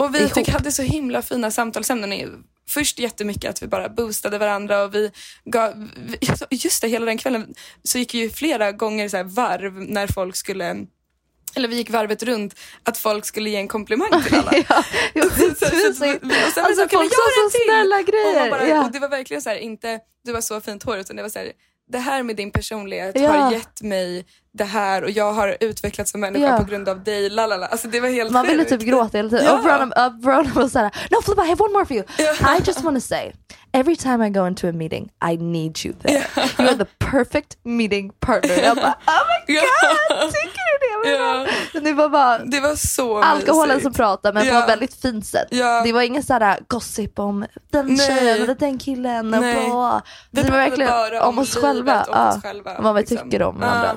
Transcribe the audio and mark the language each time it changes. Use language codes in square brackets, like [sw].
[sv] Och vi fick, hade så himla fina samtal. Sen är först jättemycket att vi bara boostade varandra och vi gav, just det, hela den kvällen så gick ju flera gånger så här varv när folk skulle, eller vi gick varvet runt, att folk skulle ge en komplimang till alla. Ja, jag alltså, folk sa så snälla grejer. Och, bara, och det var verkligen så här, inte du har så fint hår, utan det var så här, det här med din personlighet har gett mig det här och jag har utvecklats som människa på grund av dig, lalala. Alltså det var helt man ville typ gråta hela tiden. Och Verona var såhär, [en] no Filippa, I have one more for you. I just want to say, every time I go into a meeting, I need you there. You are the perfect meeting partner. [sv] Jag bara, [en] oh my god, [sv] tycker du det? Men det var bara, det var så alkoholen mysigt som pratade, men på ett väldigt fint sätt. [en] Yeah. [sv] Det var ingen såhär gossip om den tjejen eller den killen. Nej. Och på. Det var verkligen om oss själva. Om oss själva. Om vad vi tycker om varandra.